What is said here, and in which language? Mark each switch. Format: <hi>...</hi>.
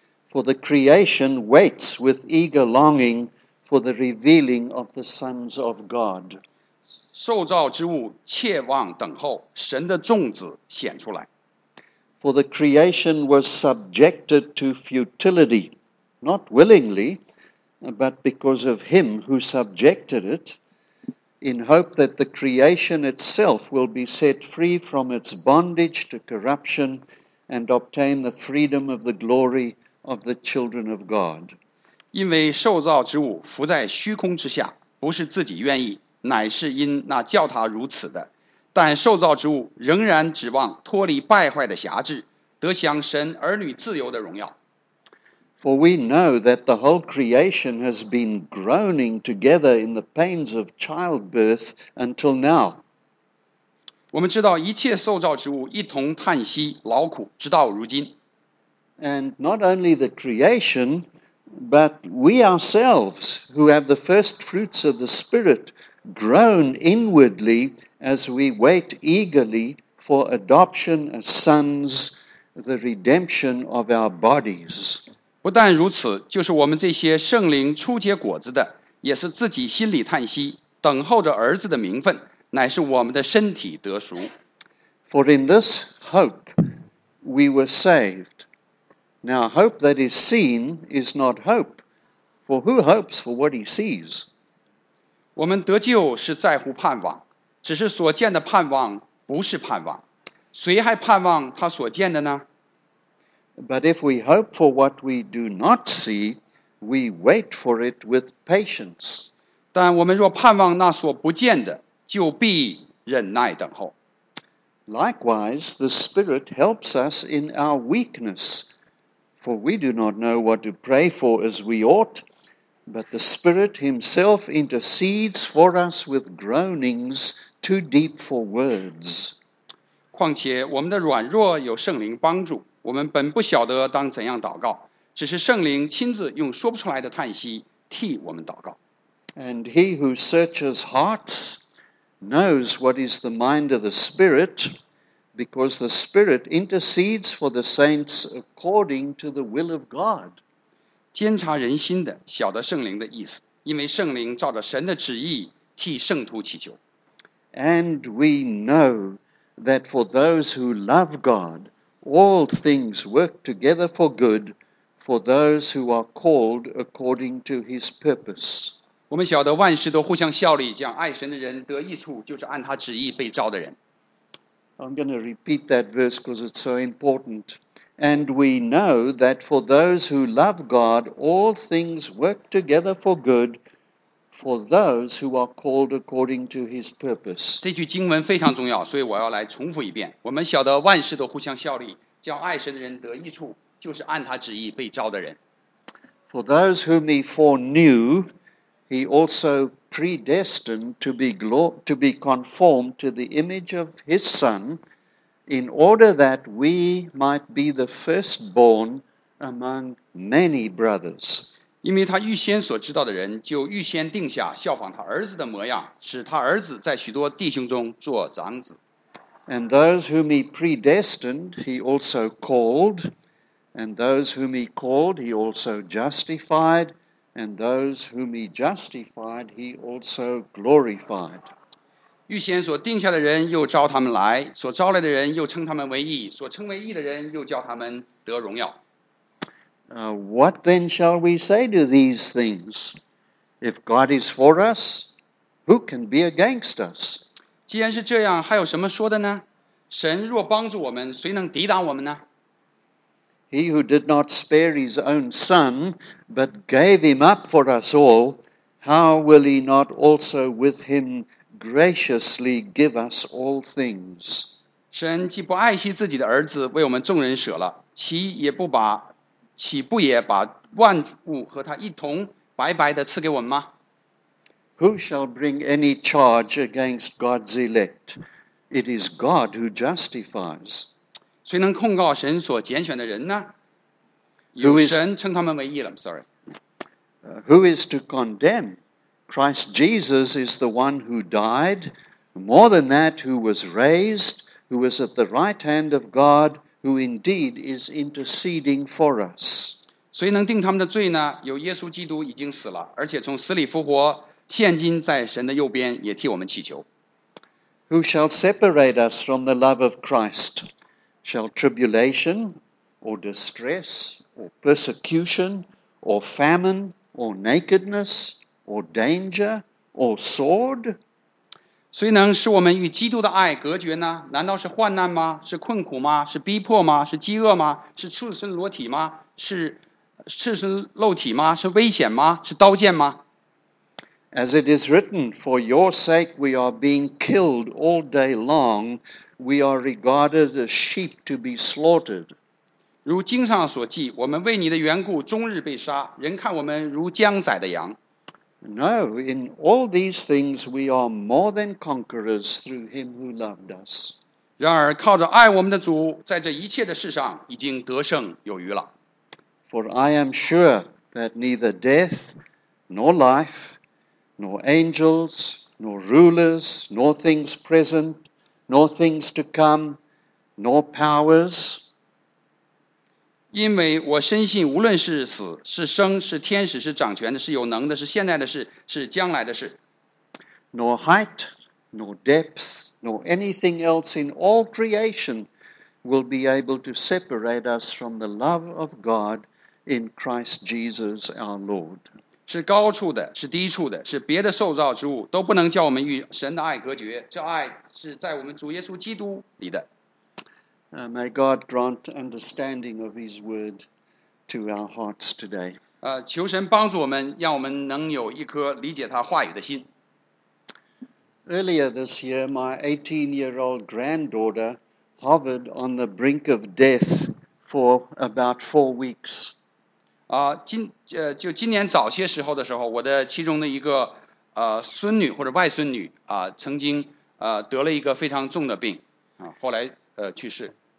<en>For the creation waits with eager longing for the revealing of the sons of God.</en> <zh>受造之物切望等候神的众子显出来。</zh> <en>For the creation was subjected to futility, not willingly, but because of him who subjected it, in hope that the creation itself will be set free from its bondage to corruption and obtain the freedom of the glory of the children of God.</en> <zh>因为受造之物浮在虚空之下，不是自己愿意，乃是因那叫他如此的。但受造之物仍然指望脱离败坏的辖制，得享神儿女自由的荣耀。</zh> <en>For we know that the whole creation has been groaning together in the pains of childbirth until now.</en> <zh>我们知道一切受造之物一同叹息劳苦，直到如今。</zh> <en>And not only the creation, but we ourselves who have the first fruits of the Spirit groan inwardly. As we wait eagerly for adoption as sons, the redemption of our bodies.</en> <zh>不但如此，就是我们这些圣灵初结果子的，也是自己心里叹息，等候着儿子的名分，乃是我们的身体得赎。</zh> <en>For in this hope we were saved. Now hope that is seen is not hope, for who hopes for what he sees?</en> <zh>我们得救是在乎盼望。只是所见的盼望不是盼望，谁还盼望他所见的呢？</zh> <en>But if we hope for what we do not see, we wait for it with patience.</en> <zh>但我们若盼望那所不见的，就必忍耐等候。</zh> <en>Likewise, the Spirit helps us in our weakness, for we do not know what to pray for as we ought, but the Spirit Himself intercedes for us with groanings. Too deep for words.</en> <zh>况且我们的软弱有圣灵帮助，我们本不晓得当怎样祷告，只是圣灵亲自用说不出来的叹息替我们祷告。</zh> <en>And he who searches hearts knows what is the mind of the Spirit, because the Spirit intercedes for the saints according to the will of God.</en> <zh>监察人心的晓得圣灵的意思，因为圣灵照着神的旨意替圣徒祈求。</zh> <en>And we know that for those who love God, all things work together for good for those who are called according to His purpose.</en> <zh>我们晓得万事都互相效力，这样爱神的人得益处，就是按他旨意被召的人。</zh> <en>I'm going to repeat that verse because it's so important. And we know that for those who love God, all things work together for good. For those who are called according to his purpose.</en> <zh>这句经文非常重要，所以我要来重复一遍。我们晓得万事都互相效力，叫爱神的人得益处，就是按他旨意被召的人。</zh> <en>For those whom he foreknew, he also predestined to be conformed to the image of his son, in order that we might be the firstborn among many brothers.</en> <zh>因为他预先所知道的人，就预先定下效仿他儿子的模样，使他儿子在许多弟兄中做长子。</zh> <en>And those whom he predestined, he also called. And those whom he called, he also justified. And those whom he justified, he also glorified.</en> <zh>预先所定下的人又招他们来，所招来的人又称他们为义，所称为义的人又叫他们得荣耀。</zh> <en>What then shall we say to these things? If God is for us, who can be against us?</en> <zh>既然是这样，还有什么说的呢？神若帮助我们，谁能抵挡我们呢？</zh> <en>He who did not spare his own son, but gave him up for us all, how will he not also with him graciously give us all things?</en> <zh>神既不爱惜自己的儿子为我们众人舍了，岂不也把万物和他一同白白的赐给我们吗？</zh> <en>Who shall bring any charge against God's elect? It is God who justifies.</en> <zh>谁能控告神所拣选的人呢？有神称他们为义了。</zh> <en>Sorry. Who is to condemn? Christ Jesus is the one who died. More than that, who was raised, who is at the right hand of God, who indeed is interceding for us.</en> <zh>谁能定他们的罪呢？有耶稣基督已经死了，而且从死里复活，现今在神的右边，也替我们祈求。</zh> <en>Who shall separate us from the love of Christ? Shall tribulation, or distress, or persecution, or famine, or nakedness, or danger, or sword?</en> <zh>谁能使我们与基督的爱隔绝呢？难道是患难吗？是困苦吗？是逼迫吗？是饥饿吗？是赤身裸体吗？是赤身露体吗？是危险吗？是刀剑吗？</zh> <en>As it is written, for your sake we are being killed all day long. We are regarded as sheep to be slaughtered.</en> <zh>如经上所记，我们为你的缘故终日被杀，人看我们如将宰的羊。</zh> <en>No, in all these things we are more than conquerors through him who loved us.</en> <zh>然而靠着爱我们的主，在这一切的事上已经得胜有余了。</zh> <en>For I am sure that neither death, nor life, nor angels, nor rulers, nor things present,Nor things to come, nor powers.</en> <zh>因为我深信，无论是死是生，是天使是掌权的，是有能的，是现在的事，是将来的事。</zh> <en>Nor height, nor depth, nor anything else in all creation will be able to separate us from the love of God in Christ Jesus our Lord.</en> <zh>是高处的，是低处的，是别的受造之物，都不能叫我们与神的爱隔绝。这爱。是在我们主耶稣基督里的。</zh> <en>May God grant understanding of His word to our hearts today.</en> <zh>求神帮助我们，让我们能有一颗理解他话语的心。</zh> <en>Earlier this year, my 18-year-old granddaughter hovered on the brink of death for about 4 weeks.</en> <zh>就今年早些时候的时候，我的其中的一个孙女或者外孙女曾经。得了一个非常重的病，后来去世。</zh>